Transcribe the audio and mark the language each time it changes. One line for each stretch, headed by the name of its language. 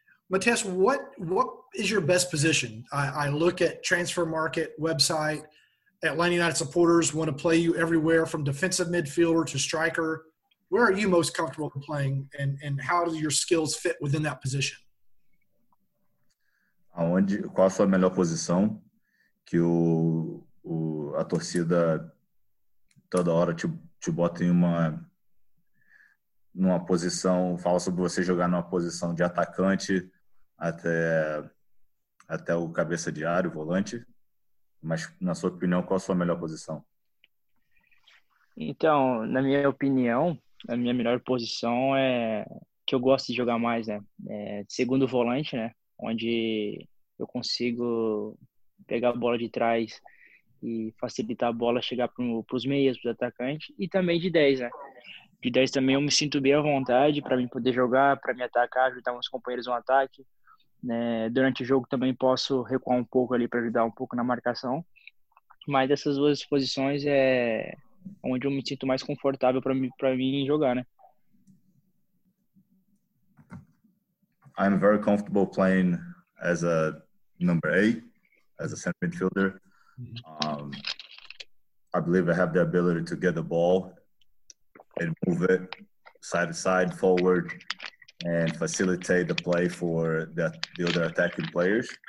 English: Matias, what is your best position? I look at transfer market website. Atlanta United supporters want to play you everywhere from defensive midfielder to striker. Where are you most comfortable playing, and how do your skills fit within that position?
Portuguese: Aonde, qual a sua melhor posição que o a torcida toda hora te bota em numa posição, fala sobre você jogar numa posição de atacante até o cabeça de área, o volante. Mas, na sua opinião, qual a sua melhor posição? Então, na minha opinião, a minha melhor posição é que eu gosto de jogar mais, né? É segundo volante, né? Onde eu consigo pegar a bola de trás e facilitar a bola chegar pros meias, pros atacantes. E também de 10, né? De 10 também eu me sinto bem à vontade para mim poder jogar, para me atacar, ajudar meus companheiros no ataque. Né? Durante o jogo também posso recuar um pouco ali para ajudar um pouco na marcação. Mas essas duas posições é onde eu me sinto mais confortável para mim jogar, né?
English: I'm very comfortable playing as a number 8, as a center midfielder. I believe I have the ability to get the ball and move it side to side, forward, and facilitate the play for the other attacking players.